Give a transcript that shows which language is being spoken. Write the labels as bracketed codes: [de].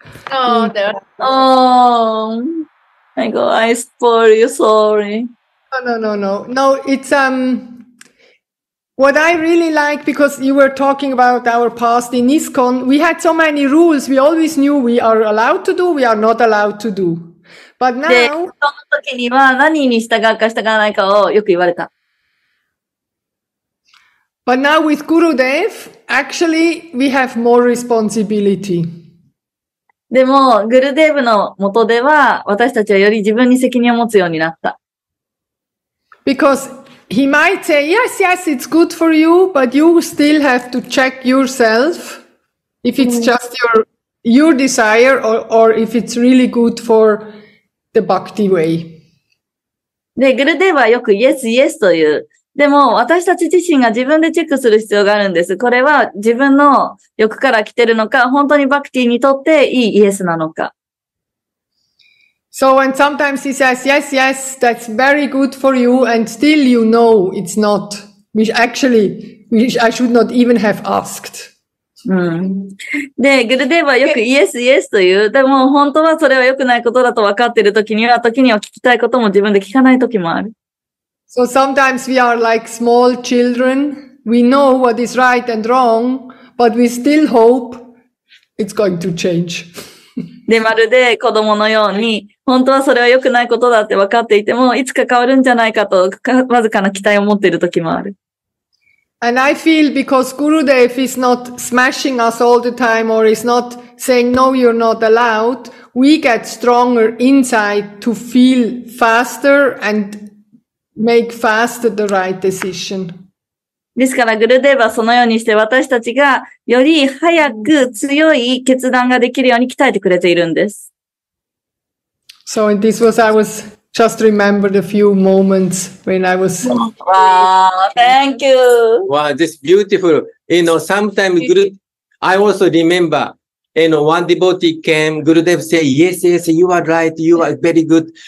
[en] My God, I spoil you, sorry. No. No, it's... What I really like, because you were talking about our past in ISKCON, we had so many rules, we always knew we are allowed to do, we are not allowed to do. But now, [ja] で、その時には何に従うか従わないかをよく言われた。 [en] But now with Gurudev, actually we have more responsibility. [ja] でも、グルデーブの元では私たちはより自分に責任を持つようになった。 [en] Because he might say, yes, yes, it's good for you, but you still have to check yourself if it's just your desire or if it's really good for... The bhakti way. [ja] で、グルデーヴはよく [en] yes, yes [ja] という。でも、私たち自身が自分でチェックする必要があるんです。これは自分の欲から来てるのか、本当にバクティにとっていい yes なのか。 [en] So, and sometimes he says, yes, yes, that's very good for you, and still you know it's not, which actually, which I should not even have asked. [ja] うん、で、グルデーヴはよくイエスイエスという、でも本当はそれは良くないことだと分かっているときには、時には聞きたいことも自分で聞かないときもある。 [en] So sometimes we are like small children. We know what is right and wrong, but we still hope it's going to change. [ja] で、まるで子供のように、本当はそれは良くないことだって分かっていても、いつか変わるんじゃないかと、わずかな期待を持っている時もある。 [en] And I feel because Gurudev is not smashing us all the time or is not saying no, you're not allowed, we get stronger inside to feel faster and make faster the right decision. [ja] ですから、グルデーヴァはそのようにして私たちがより早く強い決断ができるように鍛えてくれているんです。 [en] So this was, I was... Just remember the few moments when I was. Wow, thank you. Wow, this beautiful. You know, sometimes Guru, I also remember, you know, one devotee came, Gurudev said, yes, yes, you are right, you are very good.